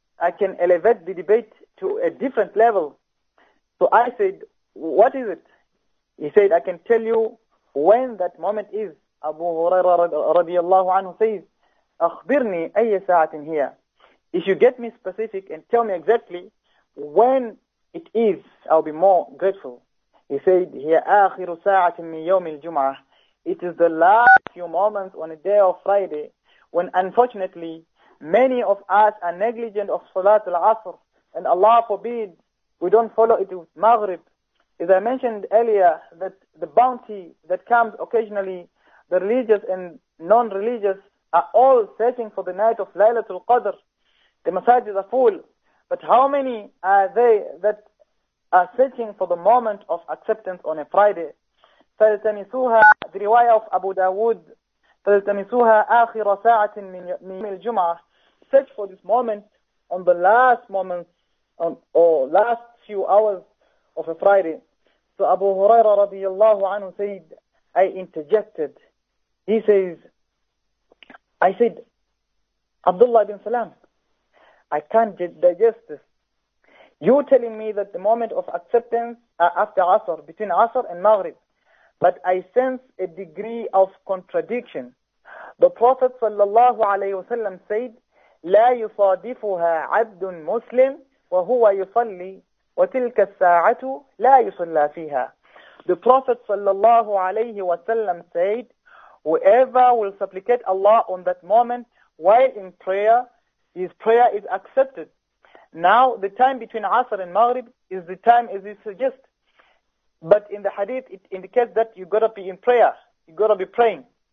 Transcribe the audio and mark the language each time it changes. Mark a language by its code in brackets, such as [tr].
[en] I can elevate the debate to a different level. So I said, what is it? He said, I can tell you when that moment is. Abu Huraira radiallahu anhu says, [ar] أخبرني أي ساعة هي. [en] If you get me specific and tell me exactly when it is, I'll be more grateful. He said, [ar] هي آخر ساعة من يوم الجمعة. [en] It is the last few moments on a day of Friday when unfortunately many of us are negligent of Salat al-Asr, and Allah forbid we don't follow it with Maghrib. As I mentioned earlier, that the bounty that comes occasionally, the religious and non-religious are all searching for the night of Laylatul Qadr. The masajid are full. But how many are they that are searching for the moment of acceptance on a Friday? [ar] فَلْتَمِسُوهَا, [en] the riwayah of Abu Dawood, [ar] فَلْتَمِسُوهَا آخِرَ سَاعَةٍ مِنْ الْجُمْعَةِ. [en] Search for this moment on the last moment or last few hours of a Friday. So Abu Huraira radiallahu anhu said, I interjected. He says, I said, Abdullah ibn Salam, I can't digest this. You're telling me that the moment of acceptance are after Asr, between Asr and Maghrib. But I sense a degree of contradiction. The Prophet sallallahu alayhi wa sallam said, [ar] لا يصادفها عبد مسلم وهو يصلي وتلك الساعة لا يصلى فيها. [en] The Prophet sallallahu alayhi wa sallam said, whoever will supplicate Allah on that moment while in prayer, his prayer is accepted. Now, the time between Asr and Maghrib is the time as you suggest. But in the hadith, it indicates that you got to be in prayer. You got to be praying.